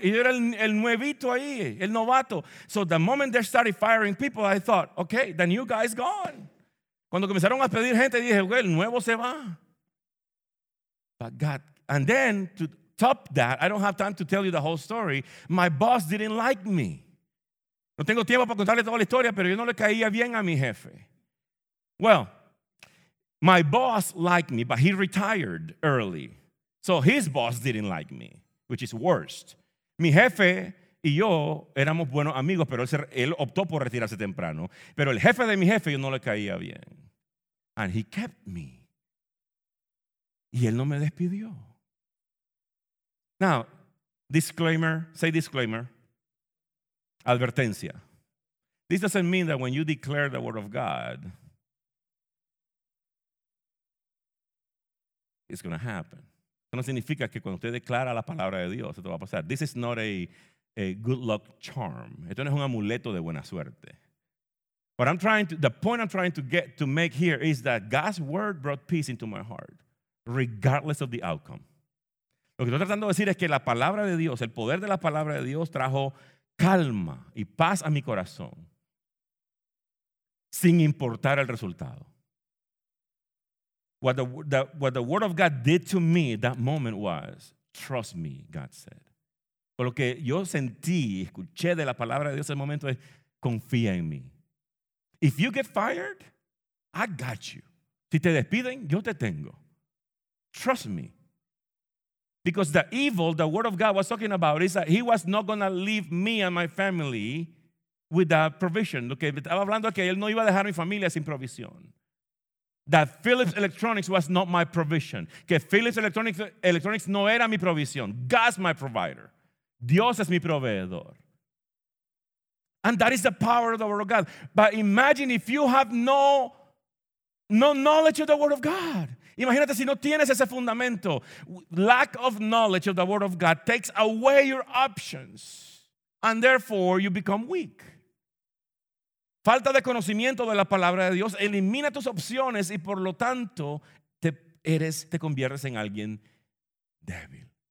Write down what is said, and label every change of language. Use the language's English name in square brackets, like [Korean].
[Spanish] Y yo era el nuevito ahí, el novato. [English] So the moment they started firing people, I thought, okay, the new guy is gone. [Spanish] Cuando comenzaron a pedir gente, dije, well, el nuevo se va. [English] But God, and then to top that, I don't have time to tell you the whole story. My boss didn't like me. [Spanish] No tengo tiempo para contarle toda la historia, pero yo no le caía bien a mi jefe. [English] Well, my boss liked me, but he retired early. So his boss didn't like me, which is worst. [Spanish] Mi jefe y yo éramos buenos amigos, pero él optó por retirarse temprano. Pero el jefe de mi jefe, yo no le caía bien. [English] And he kept me. [Spanish] Y él no me despidió. [English] Now, disclaimer, say disclaimer, advertencia. This doesn't mean that when you declare the word of God, it's going to happen. [Spanish] Eso no significa que cuando usted declara la palabra de Dios, esto va a pasar. [English] This is not a good luck charm. [Spanish] Esto no es un amuleto de buena suerte. [English] What I'm trying to, the point I'm trying to get to make here is that God's word brought peace into my heart, regardless of the outcome. [Spanish] Lo que estoy tratando de decir es que la palabra de Dios, el poder de la palabra de Dios trajo calma y paz a mi corazón sin importar el resultado. [English] What the word of God did to me that moment was, trust me, God said. [Spanish] Por lo que yo sentí y escuché de la palabra de Dios en ese momento es, confía en mí. [English] If you get fired, I got you. [Spanish] Si te despiden, yo te tengo. [English] Trust me. Because the evil the word of God was talking about is that he was not going to leave me and my family with that provision. [Spanish] Lo que estaba hablando es que él no iba a dejar mi familia sin provisión. [English] That Philips Electronics was not my provision. [Spanish] Que Philips Electronics no era mi provisión. [English] God's my provider. [Spanish] Dios es mi proveedor. [English] And that is the power of the word of God. But imagine if you have no knowledge of the word of God. [Spanish] Imagínate si no tienes ese fundamento. [English] Lack of knowledge of the word of God takes away your options. And therefore, you become weak. [Spanish] Falta de conocimiento de la palabra de Dios elimina tus opciones y por lo tanto, te conviertes en alguien débil.